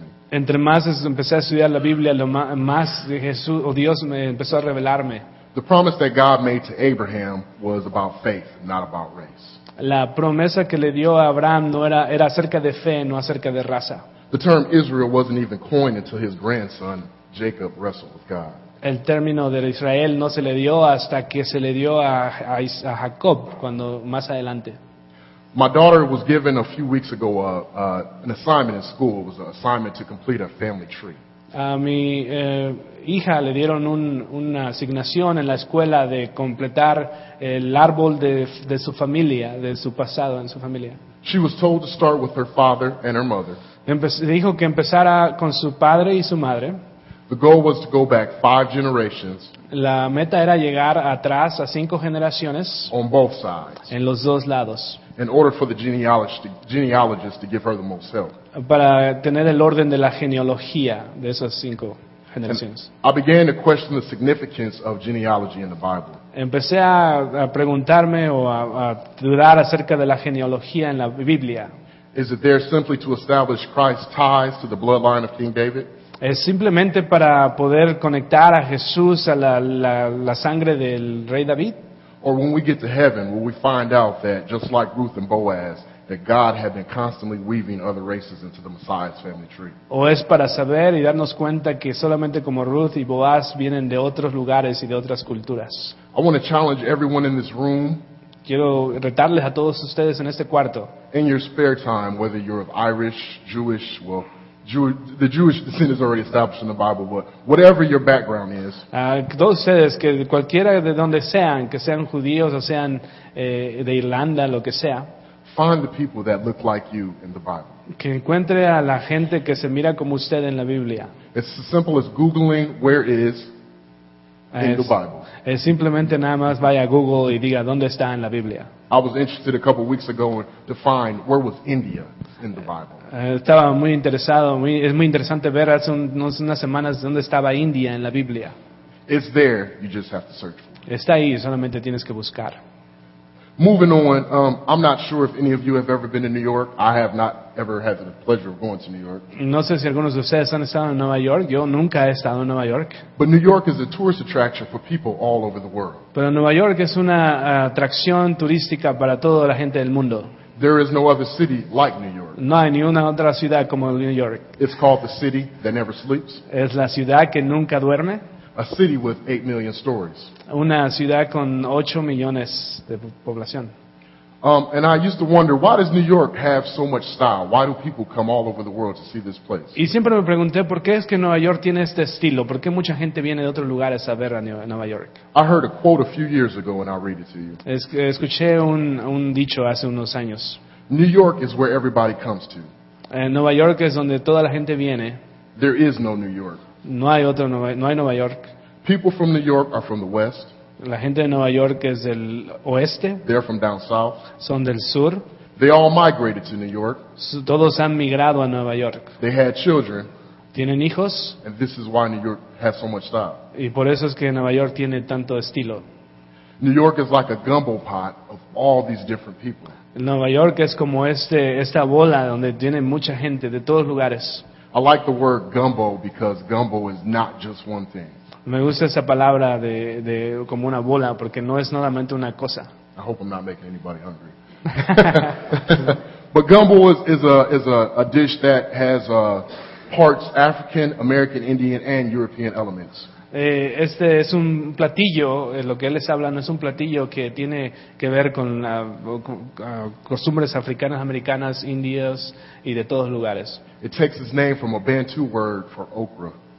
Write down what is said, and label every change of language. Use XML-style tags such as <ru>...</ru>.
<es>entre más empecé a estudiar la Biblia, lo más Jesús o Dios me empezó a revelarme.</es> <en>The promise that God made to Abraham was about faith, not about race.</en> <es>La promesa que le dio a Abraham no era acerca de fe, no acerca de raza.</es> <en>The term Israel wasn't even coined until his grandson Jacob wrestled with God.</en> <es>El término de Israel no se le dio hasta que se le dio a Jacob cuando más adelante.</es> <en>My daughter was given a few weeks ago an assignment in school. It was an assignment to complete a family tree.</en> <es>A mi hija le dieron una asignación en la escuela de completar el árbol de su familia, de su pasado en su familia.</es> <en>She was told to start with her father and her mother.</en> <es>Dijo que empezara con su padre y su madre.</es> <en>The goal was to go back 5 generations.</en> <es>La meta era llegar atrás a 5 generaciones.</es> <en>On both sides.</en> <es>En los dos lados.</es> <en>In order for the genealogist to give her the most help.</en> <es>Para tener el orden de la genealogía de esas 5 generaciones.</es> <en>And I began to question the significance of genealogy in the Bible.</en> <es>Empecé a preguntarme o a dudar acerca de la genealogía en la Biblia.</es> <en>Is it there simply to establish Christ's ties to the bloodline of King David?</en> <es>Es simplemente para poder conectar a Jesús a la sangre del rey David.</es> <en>Or when we get to heaven, will we find out that just like Ruth and Boaz, that God had been constantly weaving other races into the Messiah's family tree?</en> <es>O es para saber y darnos cuenta que solamente como Ruth y Boaz vienen de otros lugares y de otras culturas.</es> <en>I want to challenge everyone in this room.</en> <es>Quiero retarles a todos ustedes en este cuarto.</es> <en>In your spare time, whether you're of Irish, Jewish, well, the Jewish descent is already established in the Bible, but whatever your background is.</en> <es>Todos ustedes, que cualquiera de donde sean, que sean judíos o sean de Irlanda, lo que sea.</es> <en>Find the people that look like you in the Bible.</en> <es>Que encuentre a la gente que se mira como usted en la Biblia.</es> <en>It's as simple as Googling where is in the Bible.</en> <es>Es simplemente nada más vaya a Google y diga dónde está en la Biblia.</es> <en>I was interested a couple of weeks ago to find where was India in the Bible.</en> <es>Estaba muy interesado, es muy interesante ver hace unas semanas dónde estaba India en la Biblia.</es> <en>It's there, you just have to search for.</en> <es>Está ahí, solamente tienes que buscar.</es> <en>Moving on, I'm not sure if any of you have ever been to New York. I have not ever had the pleasure of going to New York.</en> <es>No sé si algunos de ustedes han estado en Nueva York. Yo nunca he estado en Nueva York.</es> <en>But New York is a tourist attraction for people all over the world.</en> <es>Pero Nueva York es una atracción turística para toda la gente del mundo.</es> <en>There is no other city like New York.</en> <es>No hay ni una otra ciudad como New York.</es> <en>It's called the city that never sleeps.</en> <es>Es la ciudad que nunca duerme.</es> <en>A city with 8 million stories.</en> <es>Una ciudad con 8 millones de población.</es> <en>And I used to wonder, why does New York have so much style? Why do people come all over the world to see this place?</en> <es>Y siempre me pregunté, ¿por qué es que Nueva York tiene este estilo? ¿Por qué mucha gente viene de otros lugares a ver a Nueva York?</es> <en>I heard a quote a few years ago, and I'll read it to you.</en> <es>Escuché un dicho hace unos años.</es> <en>New York is where everybody comes to.</en> <es>Nueva York es donde toda la gente viene.</es> <en>There is no New York.</en> <es>No hay Nueva York.</es> <en>People from New York are from the West.</en> <es>La gente de Nueva York es del oeste.</es> <en>They're from down south.</en> <es>Son del sur.</es> <en>They all migrated to New York.</en> <es>Todos han migrado a Nueva York.</es> <en>They had children.</en> <es>Tienen hijos.</es> <en>And this is why New York has so much style.</en> <es>Y por eso es que Nueva York tiene tanto estilo.</es> <en>New York is like a gumbo pot of all these different people.</en> <es>Nueva York es como esta bola donde tiene mucha gente de todos lugares.</es> <en>I like the word gumbo because gumbo is not just one thing.</en> <es>Me gusta esa palabra de como una bola porque no es solamente una cosa.</es> <en>I hope I'm not making anybody hungry. But gumbo is a dish that has parts African, American, Indian, and European elements.</en> <es>Este es un platillo, lo que él les habla no es un platillo que tiene que ver con costumbres africanas, americanas, indias y de todos lugares.</es> <en>It takes its name from a Bantu word for okra.</en>